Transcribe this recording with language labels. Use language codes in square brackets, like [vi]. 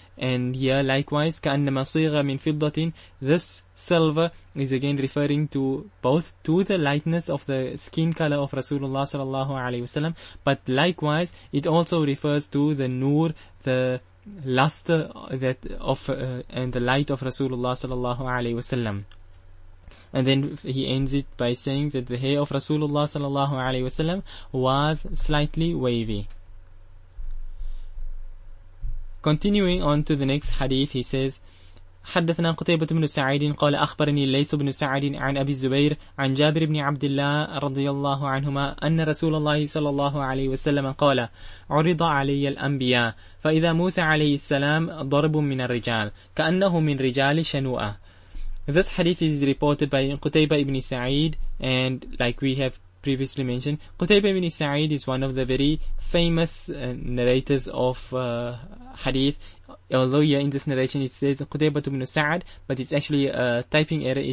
[en] And here likewise, كَأَنَّمَا صِيغَ مِنْ فِضَّةٍ, this silver is again referring to both to the lightness of the skin color of Rasulullah sallallahu alayhi wasallam, but likewise it also refers to the nur, the luster that of and the light of Rasulullah sallallahu alayhi wasallam. And then he ends it by saying that the hair of Rasulullah sallallahu alayhi wasallam was slightly wavy. [ar] Continuing on to the next hadith, he says, حدثنا قتيبة بن سعيد قال أخبرني الليث بن سعيد عن أبي الزبير عن جابر بن عبد الله رضي الله عنهما أن رسول الله صلى الله عليه وسلم قال عرض علي الأنبياء فإذا موسى عليه السلام ضرب من الرجال كأنه من رجال شنوءة. [en] This hadith is reported by قتيبة بن سعيد, and like we have previously mentioned, Qutaybah ibn Sa'id is one of the very famous narrators of hadith. Although here in this narration it says Qutaybah ibn Sa'ad, but it's actually a typing error.